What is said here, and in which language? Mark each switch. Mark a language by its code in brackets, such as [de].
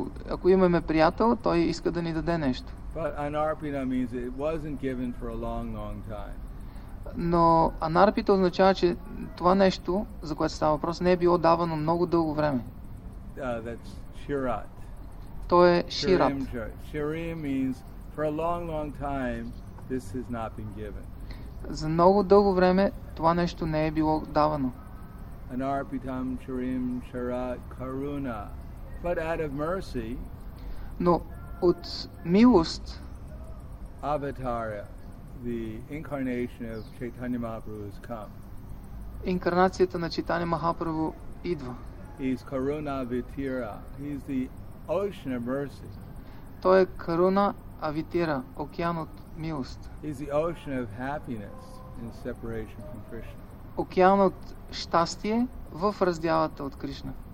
[bg] Ако имаме приятел, той иска да ни даде нещо. [en] But anarpita means it wasn't given for a long, long time. [bg] Но анарпита означава, че това нещо, за което става въпрос, не е било давано много дълго време. [en] That's shirat. [bg] То е shirat. [en] Shirim means for a long, long time this has not been given. [bg] За много дълго време това нещо не е било давано. [sa] Anarpitam shirim sharat karuna. [en] But out of mercy, [bg] но от милост, [en] Avatara, the incarnation of Chaitanya Mahaprabhu has come. [bg] Инкарнацията на Чайтанья Махапрабху идва. [en] He's Karuna Avitira. He's the ocean of mercy. [bg] Той е Karuna Avitira, океан от милост. [en] He's the ocean of happiness in separation from Krishna. [bg] Океан от щастие в раздялата от Кришна.